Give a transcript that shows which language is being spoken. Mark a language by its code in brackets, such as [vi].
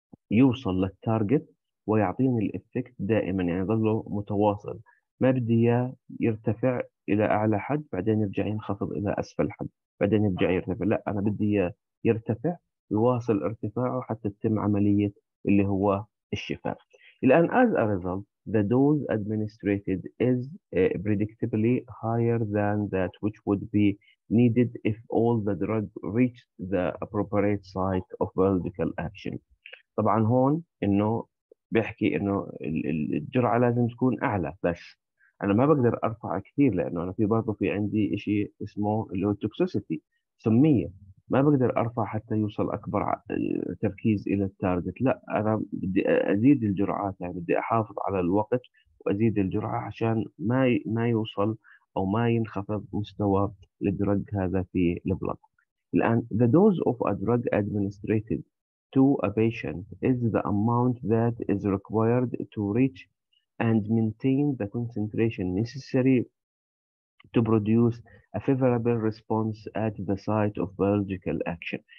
[ar] يوصل للتارجت ويعطيني الافكت دائما، يعني يظله متواصل، ما بدي اياه يرتفع الى اعلى حد بعدين يرجع ينخفض الى اسفل حد بعدين يرجع يرتفع، لا، انا بدي اياه يرتفع يواصل ارتفاعه حتى تتم عملية اللي هو الشفاء. [en] الان as a result the dose administered is predictably higher than that which would be needed if all the drug reached the appropriate site of biological action. [ar] طبعا هون انه بيحكي انه الجرعه لازم تكون اعلى، بس انا ما بقدر ارفع كثير لانه انا في برضه في عندي شيء اسمه اللي هو التوكسيسيتي، سميه، ما بقدر ارفع حتى يوصل اكبر تركيز الى التارجت، لا، انا بدي ازيد الجرعات، يعني بدي احافظ على الوقت وازيد الجرعه عشان ما يوصل او ما ينخفض مستوى الدرج هذا في البلد. [en] الان the dose of a drug administered to a patient is the amount that is required to reach and maintain the concentration necessary to produce a favorable response at the site of biological action.